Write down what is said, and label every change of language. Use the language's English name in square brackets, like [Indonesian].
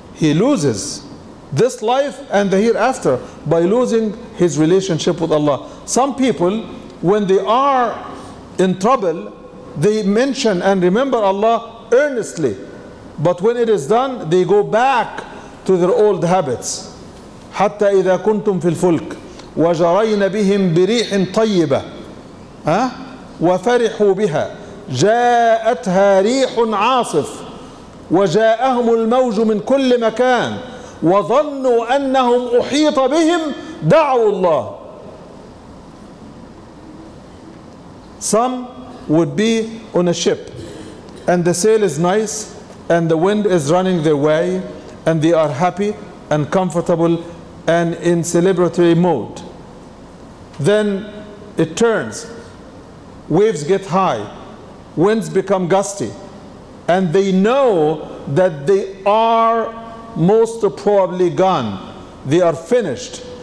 [English] He loses this life and the hereafter by losing his relationship with Allah. Some people, when they are in trouble, they mention and remember Allah earnestly. But when it is done, they go back to their old habits. [Arabic] حتى إذا كنتم في الفلك وجرين بهم بريح طيبة وفرحوا بها جاءتها ريح عاصف وجاءهم الموج من كل مكان وظنوا أنهم أحيط بهم دعوا الله. [English] Some would be on a ship and the sail is nice and the wind is running their way and they are happy and comfortable and in celebratory mode. Then it turns, waves get high, winds become gusty, and they know that they are most probably gone. They are finished.